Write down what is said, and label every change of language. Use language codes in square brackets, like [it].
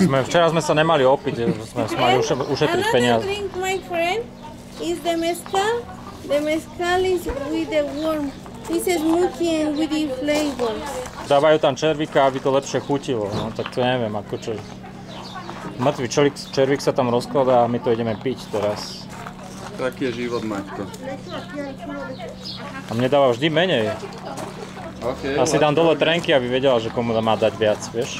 [sk] Včera sme sa nemali opiť, sme mali ušetriť peniaze. [en] Another drink, my friend, is the mezcal. The mezcal is with the warm. This is smoky and with the flavors. [sk] Dávajú tam červíka, aby to lepšie chutilo. No, tak to neviem, ako čo. Mŕtvy červík sa tam rozkladá a my to ideme piť teraz. Taký je život, Maťko. A mne dáva vždy menej. [en] Okay, [sk] asi dám dole trenky, aby vedela, že komu dá má dať viac, vieš?